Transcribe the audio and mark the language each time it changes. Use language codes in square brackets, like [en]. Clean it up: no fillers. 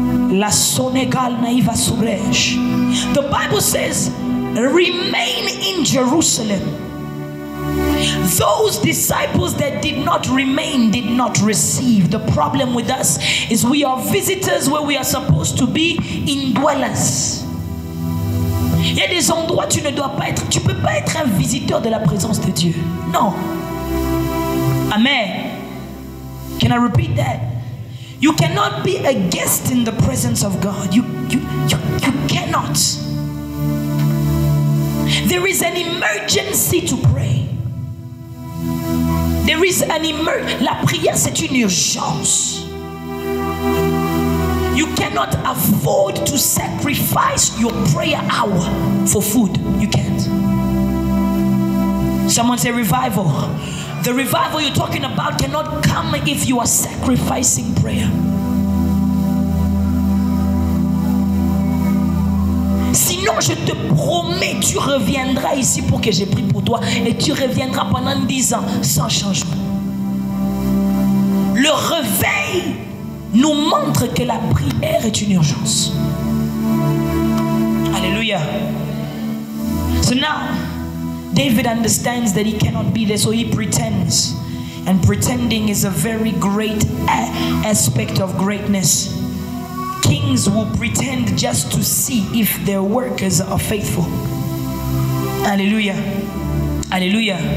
[en] La sonegal naiva suresh. The Bible says, remain in Jerusalem. Those disciples that did not remain did not receive. The problem with us is we are visitors where we are supposed to be indwellers. [fr] Il y a des endroits tu ne dois pas être. Tu ne peux pas être un visiteur de la présence de Dieu. [en] Non. Amen. Can I repeat that? You cannot be a guest in the presence of God. You cannot. There is an emergency to pray. There is an emergency. [fr] La prière, c'est une urgence. [en] You cannot afford to sacrifice your prayer hour for food. You can't. Someone say revival. The revival you're talking about cannot come if you are sacrificing prayer. [fr] Sinon, je te promets, tu reviendras ici pour que j'ai prié pour toi et tu reviendras pendant 10 ans sans changement. Le réveil nous montre que la prière est une urgence. Alléluia. [en] So now, David understands that he cannot be there, so he pretends. And pretending is a very great aspect of greatness. Kings will pretend just to see if their workers are faithful. Alléluia. Alléluia.